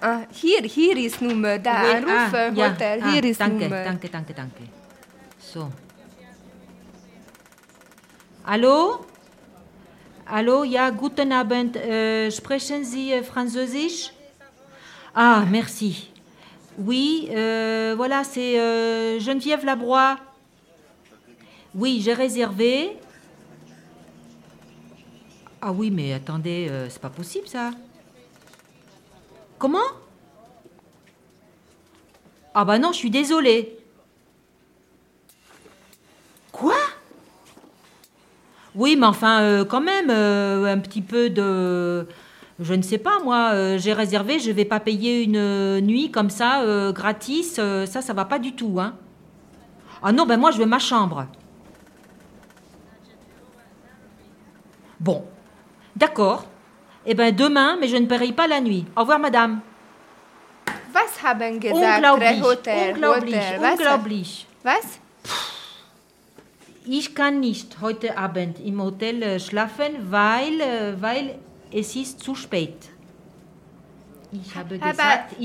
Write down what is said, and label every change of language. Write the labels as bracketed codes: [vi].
[de] Hier ist Nummer, da, rufe, ja, Hotel, hier ist danke, Nummer. Danke. So. Hallo, ja, guten Abend, sprechen Sie Französisch? [fr] Ah, merci. Oui, voilà, c'est Geneviève Labrois. Oui, j'ai réservé. Ah oui, mais attendez, c'est pas possible ça. Comment? Ah bah non, je suis désolée. Quoi? Oui, mais enfin, quand même, un petit peu de... Je ne sais pas, moi, j'ai réservé, je ne vais pas payer une nuit comme ça, gratis, ça ne va pas du tout, hein. Ah non, ben moi, je veux ma chambre. Bon, d'accord. Eh bien, demain, mais je ne paierai pas la nuit. Au revoir, madame. [de] Was haben gesagt, unglaublich, Hotel, unglaublich, Hotel, unglaublich. Was? Ich kann nicht heute Abend im Hotel schlafen, weil es ist zu spät. Ich habe gesagt,